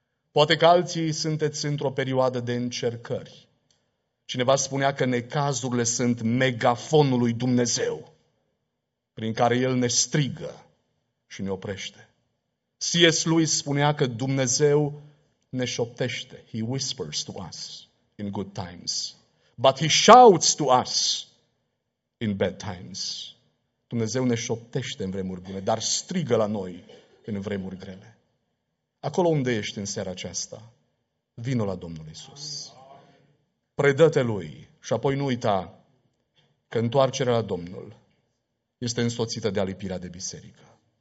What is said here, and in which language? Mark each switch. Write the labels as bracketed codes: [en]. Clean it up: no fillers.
[ro] Poate că alții sunteți într-o perioadă de încercări. Cineva spunea că necazurile sunt megafonul lui Dumnezeu, prin care El ne strigă și ne oprește. C.S. Lewis spunea că Dumnezeu ne șoptește. [en] He whispers to us in good times, but He shouts to us in bad times. [ro] Dumnezeu ne șoptește în vremuri bune, dar strigă la noi în vremuri grele. Acolo unde ești în seara aceasta, vino la Domnul Iisus. Predă-te Lui și apoi nu uita că întoarcerea la Domnul este însoțită de alipirea de biserică.